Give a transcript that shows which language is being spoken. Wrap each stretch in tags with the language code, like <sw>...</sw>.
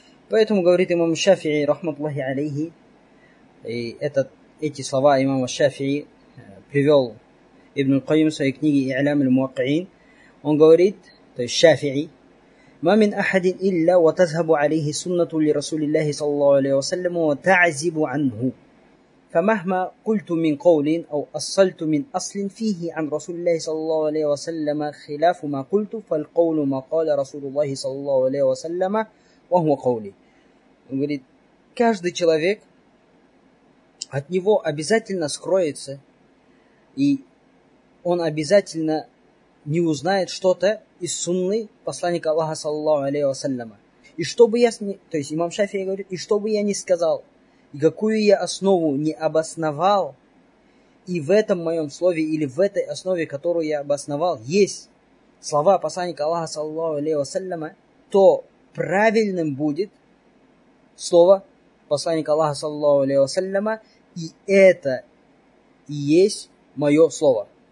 <ru>Поэтому говорит имам Шафии, рахматуллахи алейхи, и эти слова имама Шафии привел Ибн Кайм в своей книге «И'лам аль-муаккиин». Он говорит, то есть Шафии,</ru> <ar>«Ма мин ахадин илля ва тазхабу алейхи суннату ли Расулиллахи саллаллаху алейхи вассаляму ва та'азибу анху». فمهما قلت من قول أو أصلت من أصل فيه عن رسول الله صلى الله عليه وسلم خلاف ما قلت فالقول ما قال رسول الله صلى الله عليه وسلم وهو قولي.</ar> <ru>Он говорит, каждый человек, от него обязательно скроется, и он обязательно не узнает что-то из сунны посланника Аллаха</ru> <ar>صلى الله عليه وسلم.</ar> <ru>И что бы я, то есть имам Шафии говорит, и что бы я ни сказал, и какую я основу не обосновал, и в этом моем слове, или в этой основе, которую я обосновал, есть слова посланника Аллаха, саллаллаху алейхи вассаляма, то правильным будет слово посланника Аллаха, саллаллаху алейхи вассаляма, и это и есть мое слово.</ru>